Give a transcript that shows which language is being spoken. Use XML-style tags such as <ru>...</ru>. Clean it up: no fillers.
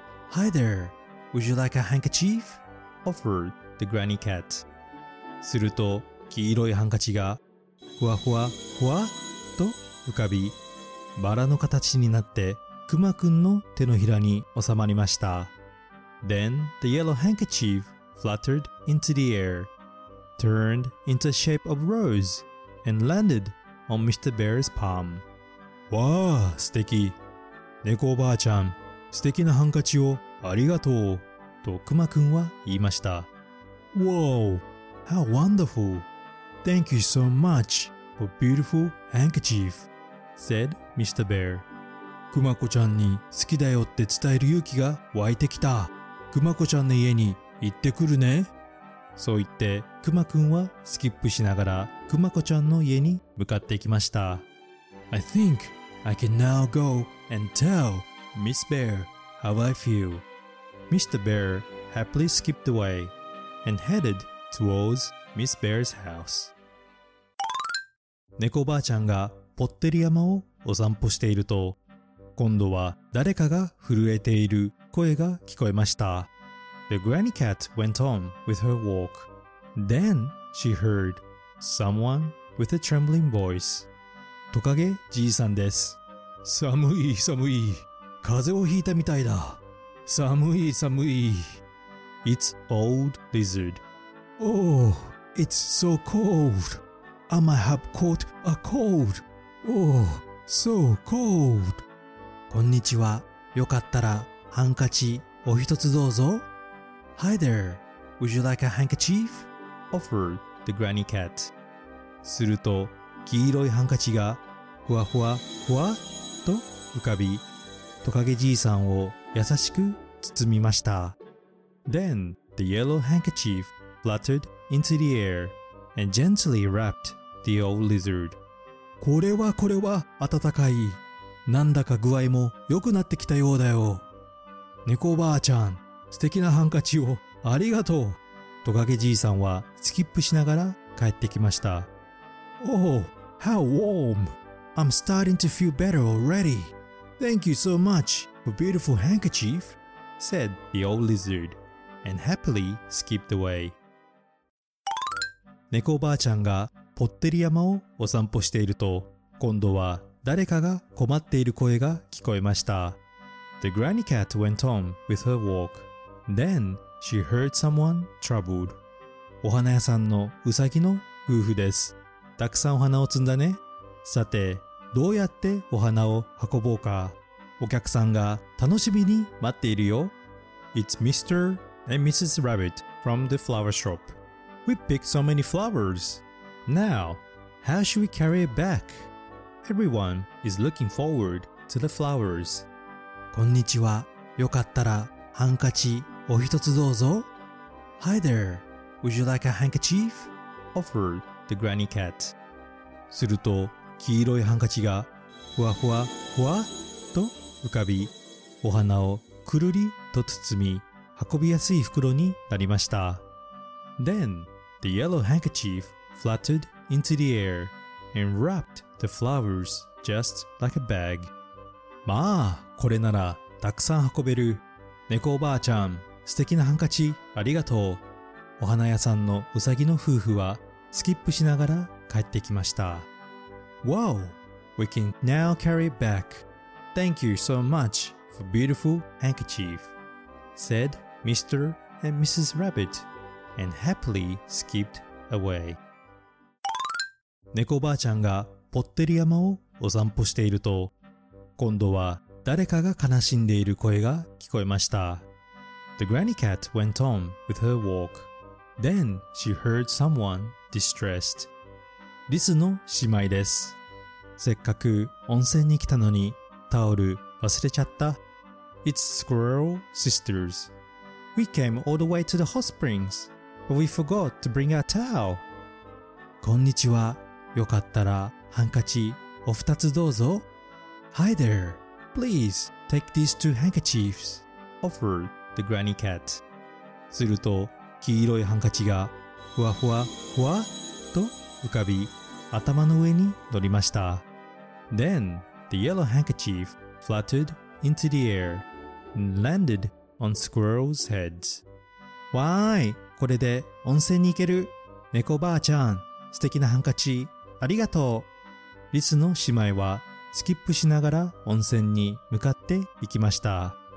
<en>Hi there. Would you like a handkerchief? Offered. The granny cat.</en> <ja>すると黄色いハンカチがふわふわふわと浮かびバラの形になってクマくんの手のひらに収まりました。</ja> <en>Then the yellow handkerchief fluttered into the air, turned into a shape of rose, and landed on Mr. Bear's palm.</en> <ja>わあ、素敵。猫おばあちゃん、素敵なハンカチをありがとうとクマくんは言いました。</ja> <en>Whoa! How wonderful! Thank you so much for beautiful handkerchief, said Mr. Bear.</en> <ja>クマコちゃんに好きだよって伝える勇気が湧いてきた。クマコちゃんの家に行ってくるね。そう言ってクマくんはスキップしながらクマコちゃんの家に向かっていきました。</ja> <en>I think I can now go and tell Miss Bear how I feel. Mr. Bear happily skipped away. And headed towards Miss Bear's house.</en> <ja>猫ばあちゃんがぽってり山をお散歩していると、今度は誰かが震えている声が聞こえました。</ja> <en>The granny cat went on with her walk. Then she heard someone with a trembling voice.</en> <ja>トカゲじいさんです。寒い寒い。風邪をひいたみたいだ。寒い寒い。</ja> <en>It's old lizard. Oh, it's so cold. I might have caught a cold. Oh, so cold.</en> <ja>こんにちは。よかったらハンカチお一つどうぞ。</ja> <en>Hi there, would you like a handkerchief? Offered the granny cat.</en> <ja>すると黄色いハンカチがふわふわふわと浮かび、トカゲじいさんを優しく包みました。</ja> <en>Then the yellow handkerchief fluttered into the air and gently wrapped the old lizard.</en> <ja>これはこれは暖かい。なんだか具合も良くなってきたようだよ。猫ばあちゃん、素敵なハンカチをありがとう。トカゲじいさんはスキップしながら帰ってきました。</ja> <en>Oh, how warm! I'm starting to feel better already. Thank you so much for beautiful handkerchief, said the old lizard, and happily skipped away.</en> <ja>猫ばあちゃんがぽってり山をお散歩していると、今度は誰かが困っている声が聞こえました。</ja> <en>The granny cat went on with her walk. Then she heard someone troubled.</en> <ja>お花屋さんのうさぎの夫婦です。たくさんお花を摘んだね。さて、どうやってお花を運ぼうか。お客さんが楽しみに待っているよ。</ja> <en>It's Mr. and Mrs. Rabbit from the flower shop. We picked so many flowers. Now, how should we carry it back? Everyone is looking forward to the flowers.</en> <ja>こんにちは。よかったらハンカチお一つどうぞ。</ja> <en>Hi there. Would you like a handkerchief? Offered the granny cat.</en> <ja>すると黄色いハンカチがふわふわふわと浮かび、お花をくるりと包み、運びやすい袋になりました。</ja> <en>Then the yellow handkerchief fluttered into the air and wrappedThe flowers just like a bag.</en> <ja>まあ、これならたくさん運べる。猫おばあちゃん、素敵なハンカチありがとう。お花屋さんのうさぎの夫婦はスキップしながら帰ってきました。</ja> <en>Wow, we can now carry it back. Thank you so much for beautiful handkerchief, said Mr. and Mrs. Rabbit, and happily skipped away.</en> <ja>猫おばあちゃんがぽってり山をお散歩していると、今度は誰かが悲しんでいる声が聞こえました。</ja> <en>The granny cat went on with her walk. Then she heard someone distressed.</en> <ja>リスの姉妹です。せっかく温泉に来たのにタオル忘れちゃった。</ja> <en>It's squirrel sisters. We came all the way to the hot springs, but we forgot to bring our towel.</en> <ja>こんにちは。よかったらハンカチお二つどうぞ。</ja> <en>Hi there. Please take these two handkerchiefs, offered the granny cat.</en> <ja>すると黄色いハンカチがふわふわふわと浮かび、頭の上に乗りました。</ja> <en>Then the yellow handkerchief fluttered into the air and landed on squirrel's head.</en> <ja>わーい、これで温泉に行ける。猫ばあちゃん、素敵なハンカチありがとう。リスの姉妹はスキップしながら温泉に向かって行きました。</ja>